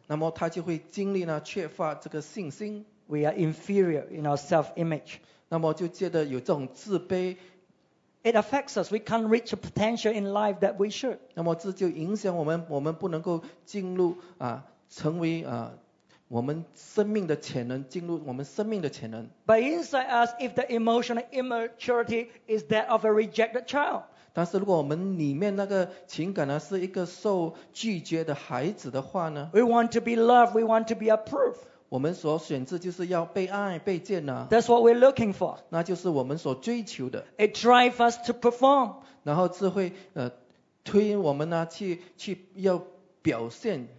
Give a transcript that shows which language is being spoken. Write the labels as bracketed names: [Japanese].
[Chinese] 那么他就会经历呢缺乏这个信心。 [English] We are inferior in our self-image. [Chinese] 那么就觉得有这种自卑。 [English] It affects us. We can't reach a potential in life that we should. [Chinese] 那么这就影响我们，我们不能够进入成为我们生命的潜能，进入我们生命的潜能。 [English] But inside us, if the emotional immaturity is that of a rejected child. [Chinese] 但是如果我们里面那个情感呢，是一个受拒绝的孩子的话呢 [English] ？We want to be loved. We want to be approved. [Chinese] 我们所选择就是要被爱被接纳。 [English] That's what we're looking for. [Chinese] 那就是我们所追求的。 [English] It drives us to perform. [Chinese] 然后这会推我们呢去要表现。